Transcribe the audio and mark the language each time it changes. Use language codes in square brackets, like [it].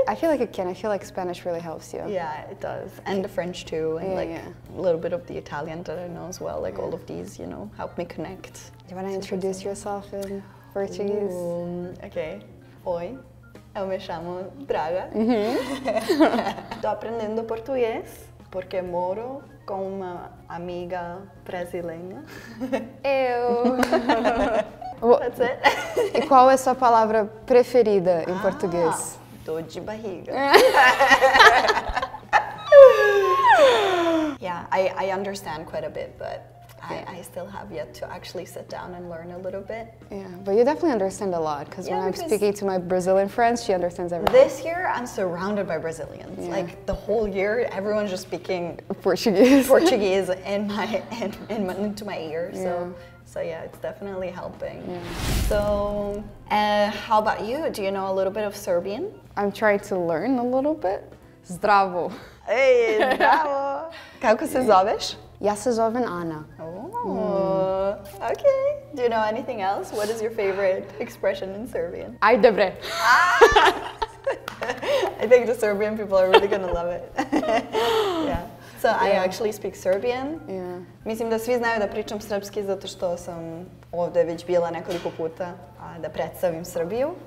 [en] I feel like it can. I feel like Spanish really helps you. Yeah, it does. And the French too. And a little bit of the Italian that I know as well. Like all of these, you know, help me connect. Do you want to introduce yourself in Portuguese? [pt] Okay. Oi. Eu me chamo Draga. Tô aprendendo português porque moro com uma amiga brasileira. Eu. [en] That's it. [pt] E qual é a sua palavra preferida em português? Dor de barriga. [en] I understand quite a bit, but I still have yet to actually sit down and learn a little bit. Yeah, but you definitely understand a lot, because when I'm speaking to my Brazilian friends, she understands everything. This year, I'm surrounded by Brazilians. Yeah. Like, the whole year, everyone's just speaking Portuguese into my ear. Yeah. So yeah, it's definitely helping. Yeah. So, how about you? Do you know a little bit of Serbian? I'm trying to learn a little bit. [sr] Zdravo. Hey, zdravo. Kako se zoveš? Ja se zovem Ana. [en] Oh, okay. Do you know anything else? What is your favorite expression in Serbian? [sr] Aj dobre. [en] I think the Serbian people are really gonna love it. I actually speak Serbian. Yeah. [sr] Mislim da svi znaju da pričam srpski zato što sam ovde već bila nekoliko puta da predstavim Srbiju.